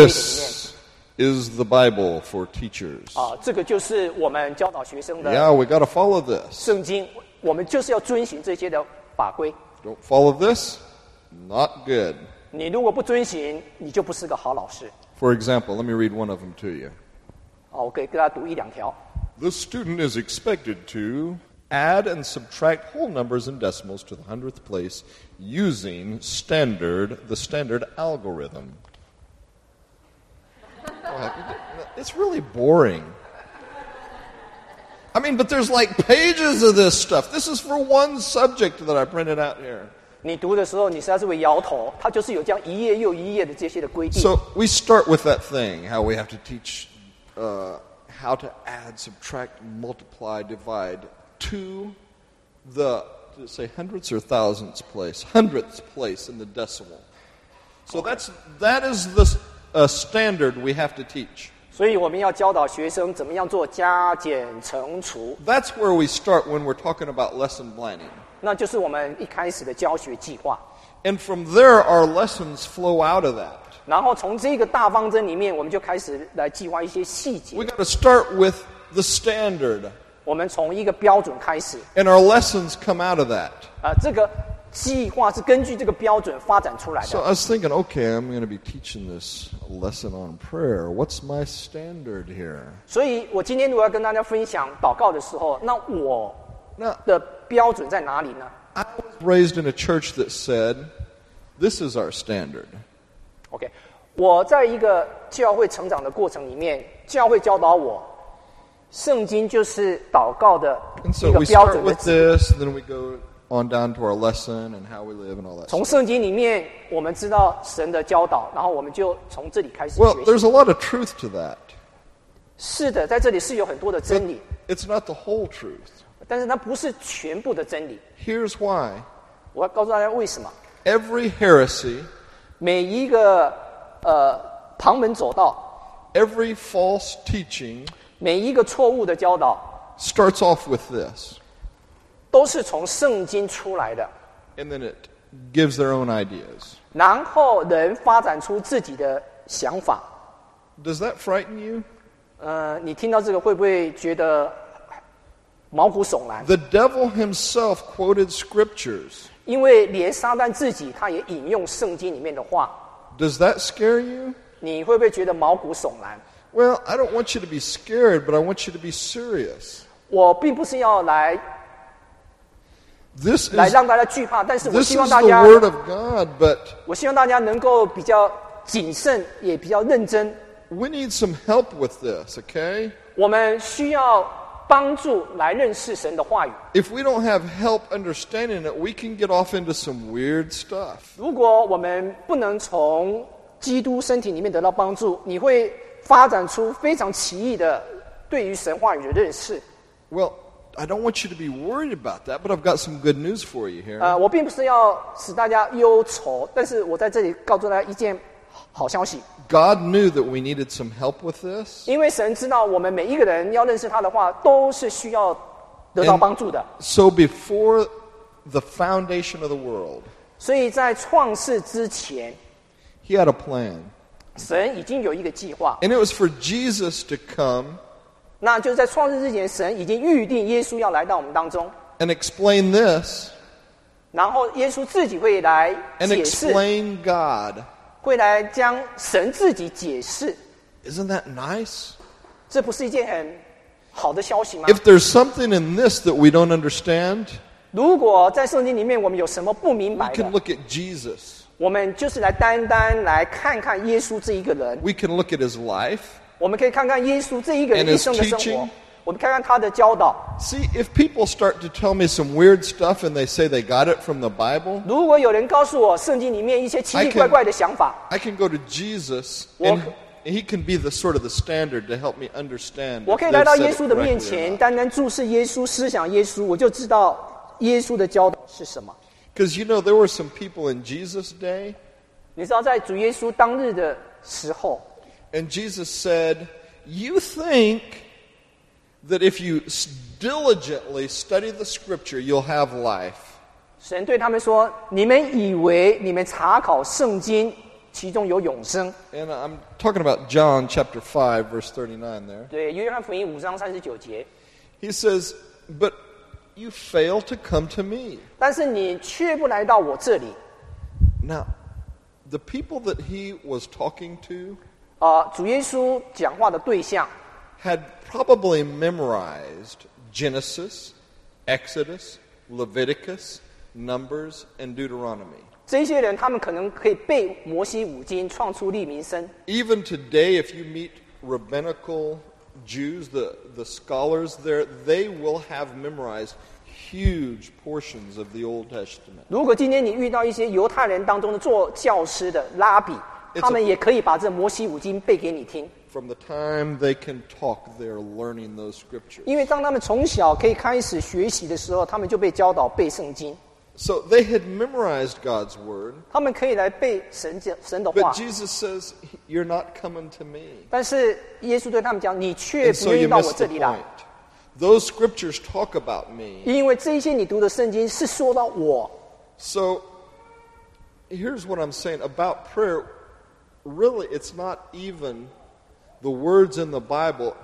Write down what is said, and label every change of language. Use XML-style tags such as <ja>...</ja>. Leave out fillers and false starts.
<zh>里面。</zh> <en>This is the Bible for teachers.</en> <zh>这个就是我们教导学生的。</zh> <en>Yeah, we got to follow this.</en> <zh>圣经，我们就是要遵循这些的法规。</zh> <en>Don't follow this, not good.</en> <zh>你如果不遵循，你就不是个好老师。</zh> <en>For example, let me read one of them to you. The student is expected to add and subtract whole numbers and decimals to the 100th place using the standard algorithm. It's really boring. I mean, but there's like pages of this stuff. This is for one subject that I printed out here.</en> <zh>你读的时候，你实在是会摇头。它就是有这样一页又一页的这些的规定。</zh> <en>So we start with that thing, how we have to teach, how to add, subtract, multiply, divide to the, say hundredths or thousandths place, hundredths place in the decimal. So that is the standard we have to teach.</en> <zh>所以我们要教导学生怎么样做加减乘除。</zh> <en>That's where we start when we're talking about lesson planning.</en> <zh>那就是我们一开始的教学计划。</zh> <en>And from there, our lessons flow out of that.</en> <zh>然后从这个大方针里面，我们就开始来计划一些细节。</zh> <en>We got to start with the standard.</en> <zh>我们从一个标准开始。</zh> <en>And our lessons come out of that.</en> <zh>这个计划是根据这个标准发展出来的。</zh> <en>So I was thinking, okay, I'm going to be teaching this lesson on prayer. What's my standard here?</en> <zh>所以我今天如果要跟大家分享祷告的时候，那我的标准在哪里呢？</zh> <en>I was raised in a church that said, "This is our standard."</en> <zh>Okay, 我在一个教会成长的过程里面，教会教导我，圣经就是祷告的一个标准的指引。</zh> <en>And so we start with this, then we go on down to our lesson and how we live and all that.</en> <zh>从圣经里面，我们知道神的教导，然后我们就从这里开始。</zh> <en>Well, there's a lot of truth to that.</en> <zh>是的，在这里是有很多的真理。</zh> <en>But it's not the whole truth.</en> <zh>但是它不是全部的真理。</zh> <en>Here's why.</en> <zh>我要告诉大家为什么。</zh> <en>Every heresy,</en> <zh>每一个旁门左道。</zh> <en>Every false teaching,</en> <zh>每一个错误的教导。</zh> <en>Starts off with this.</en> <zh>都是从圣经出来的。</zh> <en>And then it gives their own ideas.</en> <zh>然后人发展出自己的想法。</zh> <en>Does that frighten you?</en> <zh>你听到这个会不会觉得？毛骨悚然。</zh> <en>The devil himself quoted scriptures.</en> <zh>因为连撒旦自己他也引用圣经里面的话。</zh> <en>Does that scare you?</en> <zh>你会不会觉得毛骨悚然？</zh> <en>Well, I don't want you to be scared, but I want you to be serious.</en> <zh>我并不是要来</zh> <en>this is,</en> <zh>来让大家惧怕，但是我希望大家</zh> <en>This is the word of God, but</en> <zh>我希望大家能够比较谨慎，也比较认真。</zh> <en>We need some help with this, okay?</en> <zh>我们需要帮助来认识神的话语。</zh> <en>If we don't have help understanding it, we can get off into some weird stuff.</en> <zh>如果我们不能从基督身体里面得到帮助，你会发展出非常奇异的对于神话语的认识。</zh> <en>Well, I don't want you to be worried about that, but I've got some good news for you here.</en> <zh>我并不是要使大家忧愁，但是我在这里告诉大家一件好消息。</zh> <en>God knew that we needed some help with this.</en> <zh>因为神知道我们每一个人要认识他的话，都是需要得到帮助的。</zh> <en>So before the foundation of the world,</en> <zh>所以在创世之前，</zh> <en>He had a plan.</en> <zh>神已经有一个计划。</zh> <en>And it was for Jesus to come.</en> <zh>那就在创世之前，神已经预定耶稣要来到我们当中。</zh> <en>And explain this.</en> <zh>然后耶稣自己会来解释。</zh> <en>And explain God.</en> <zh>会来将神自己解释。</zh> <en>Isn't that nice?</en> <zh>这不是一件很好的消息吗？</zh> <en>If there's something in this that we don't understand,</en> <zh>如果在圣经里面我们有什么不明白的，</zh> <en>we can look at Jesus.</en> <zh>我们就是来单单来看看耶稣这一个人。</zh> <en>We can look at his life.</en> <zh>我们可以看看耶稣这一个人一生的生活。我们看看他的教导。</zh> <en>See, if people start to tell me some weird stuff and they say they got it from the Bible,</en> <zh>如果有人告诉我圣经里面一些奇奇怪怪的想法，</zh> <en>I can go to Jesus and he can be the sort of the standard to help me understand.</en> <zh>我可以来到耶稣的面前，单单注视耶稣，思想耶稣，我就知道耶稣的教导是什么。</zh> <en>Because you know there were some people in Jesus' day,</en> <zh>你知道在主耶稣当日的时候，</zh> <en>and Jesus said, "You think that if you diligently study the scripture, you'll have life."</en> <zh>神对他们说，你们以为你们查考圣经，其中有永生。</zh> <en>And I'm talking about John chapter 5 verse 39 there.</en> <zh>对，约翰福音五章三十九节。</zh> <en>He says, but you fail to come to me.</en> <zh>但是你却不来到我这里。</zh> <en>Now, the people that he was talking to,</en> <zh>主耶稣讲话的对象，</zh> <en>had probably memorized Genesis, Exodus, Leviticus, Numbers, and Deuteronomy.</en> <zh>这些人他们可能可以背摩西五经、创出利民生。</zh> <en>Even today, if you meet rabbinical Jews, the scholars there, they will have memorized huge portions of the Old Testament.</en> <zh>如果今天你遇到一些犹太人当中的做教师的拉比, 他们也可以把这摩西五经背给你听。</zh> <en>From the time they can talk, they're learning those scriptures.</en> <zh>因为当他们从小可以开始学习的时候, 他们就被教导背圣经。</zh> <en>So they had memorized God's word.</en> <zh>他们可以来背神的话,</zh> <en>but Jesus says, you're not coming to me.</en> <zh>但是耶稣对他们讲,</zh> <en>and so you missed the point. Those scriptures talk about me.</en> <zh>因为这些你读的圣经是说到我。</zh> <en>So here's what I'm saying about prayer. Really, it's not even the words in the Bible.</en>